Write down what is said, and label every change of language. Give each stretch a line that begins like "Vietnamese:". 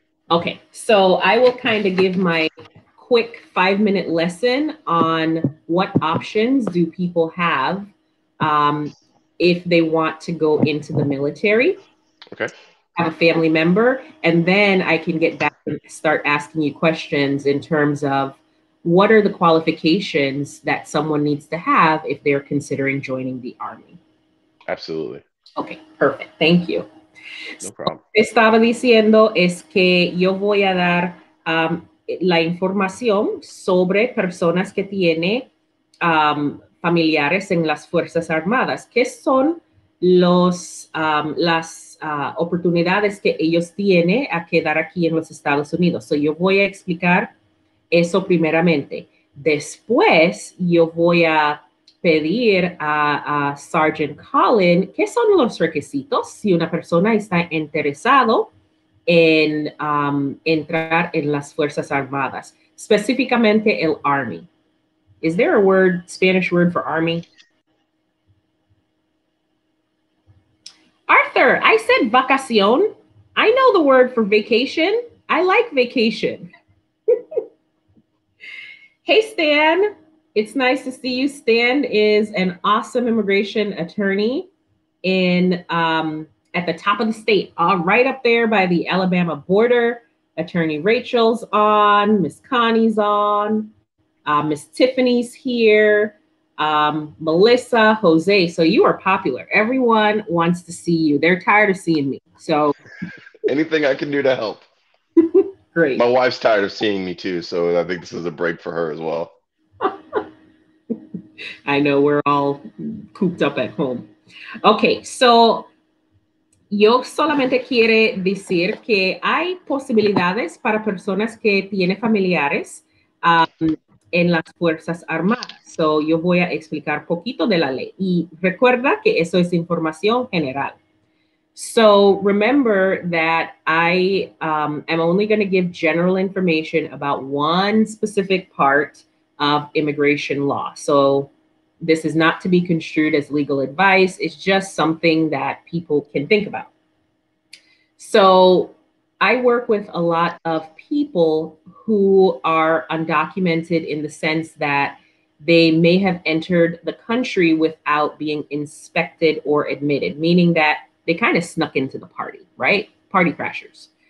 English: Okay, so I will kind of give my quick 5-minute lesson on what options do people have if they want to go into the military. Okay. Have a family member, and then I can get back and start asking you questions in terms of what are the qualifications that someone needs to have if they're considering joining the Army. Absolutely. Okay, perfect. Thank you. No problem.
Spanish: So, estaba diciendo es que yo voy a dar la información sobre personas que tiene familiares en las Fuerzas Armadas. ¿Qué son las oportunidades que ellos tienen a quedar aquí en los Estados Unidos? So, yo voy a explicar eso primeramente. Después, yo voy a pedir a Sergeant Colin, ¿qué son los requisitos si una persona está interesado en entrar en las Fuerzas Armadas? Specificamente el army.
English: Is there a word, Spanish word for army? Arthur, I said vacacion. I know the word for vacation. I like vacation. Hey, Stan. It's nice to see you. Stan is an awesome immigration attorney in at the top of the state, right up there by the Alabama border. Attorney Rachel's on, Miss Connie's on, Miss Tiffany's here, Melissa, Jose. So you are popular. Everyone wants to see you. They're tired of seeing me. So anything I can do to help. Great. My wife's tired of seeing me too. So I think this is a break for her as well. I know we're all cooped up at home.
Spanish: Okay, so yo solamente quiere decir que hay posibilidades para personas que tienen familiares en las Fuerzas Armadas. So yo voy a explicar poquito de la ley. Y recuerda que eso es información general.
English: So remember that I am only going to give general information about one specific part of immigration law. So this is not to be construed as legal advice. It's just something that people can think about. So I work with a lot of people who are undocumented in the sense that they may have entered the country without being inspected or admitted, meaning that they kind of snuck into the party, right? Party crashers.